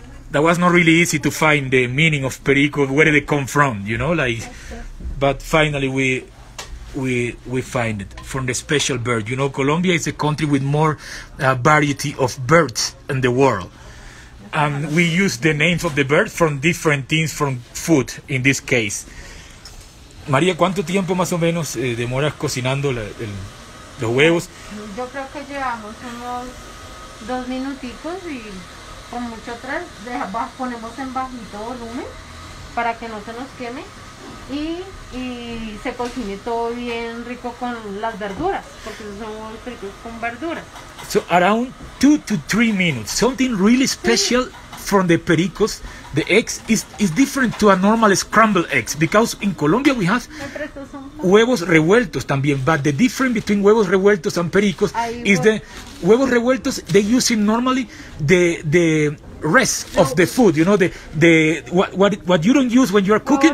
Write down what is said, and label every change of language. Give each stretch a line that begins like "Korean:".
English: That was not really easy to find the meaning of Perico, where they come from, you know, like, but finally we find it from the special bird. You know, Colombia is a country with more variety of birds in the world. And we use the names of the birds from different things, from food in this case.
Spanish: María, ¿cuánto tiempo más o menos demoras cocinando los huevos? Yo creo que llevamos unos 2 minuticos y con mucho tres, ponemos en bajito volumen para que no se nos queme y se cocine todo bien rico con las verduras, porque son los fritos con verduras.
English: So around 2 to 3 minutes, something really special.
Spanish: Sí.
English: From the pericos, the eggs is different to a normal scrambled eggs, because in Colombia we have huevos revueltos también, but the difference between huevos revueltos and pericos is the huevos revueltos, they use it normally the rest of the food, you know, the what you don't use when you are cooking.